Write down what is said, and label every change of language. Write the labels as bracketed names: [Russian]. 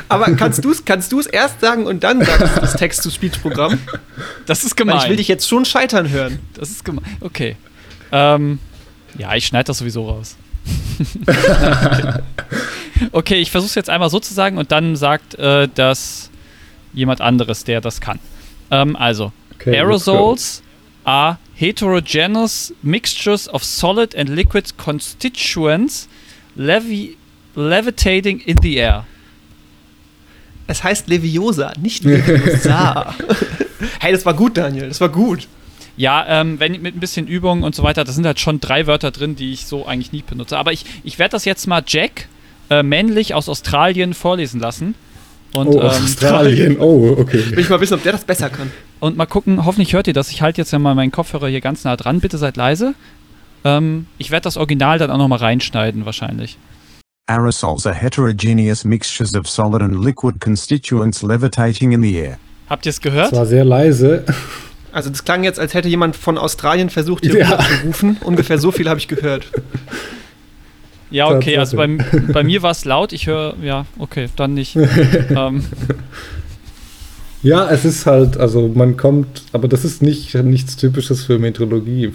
[German] Aber kannst du es erst sagen und dann sagst du das Text-to-Speech-Programm? Das ist gemein. Ich will dich jetzt schon scheitern hören. Das ist gemein. Okay. Ja, ich schneide das sowieso raus. Okay, ich versuche es jetzt einmal so zu sagen und dann sagt das jemand anderes, der das kann. [English] Also, okay, Aerosols are heterogeneous mixtures of solid and liquid constituents levitating in the air. [German] Es heißt Leviosa, nicht Leviosa. Hey, das war gut, Daniel, das war gut. Ja, wenn mit ein bisschen Übung und so weiter, da sind halt schon drei Wörter drin, die ich so eigentlich nie benutze. Aber ich werde das jetzt mal Jack, männlich aus Australien, vorlesen lassen. Und, Australien, oh, okay. Will ich mal wissen, ob der das besser kann. Und mal gucken, hoffentlich hört ihr das. Ich halte jetzt ja mal meinen Kopfhörer hier ganz nah dran. Bitte seid leise. Ich werde das Original dann auch noch mal reinschneiden wahrscheinlich. [English] Aerosols are heterogeneous mixtures of solid and liquid constituents levitating in the air. [German] Habt ihr es gehört? Es war sehr leise. Also das klang jetzt, als hätte jemand von Australien versucht, hier rüberzurufen. Ungefähr so viel habe ich gehört. Ja, okay, also bei mir war es laut. Ich höre, ja, okay, dann nicht. Ja, es ist halt, also man kommt, aber das ist nichts Typisches für Meteorologie.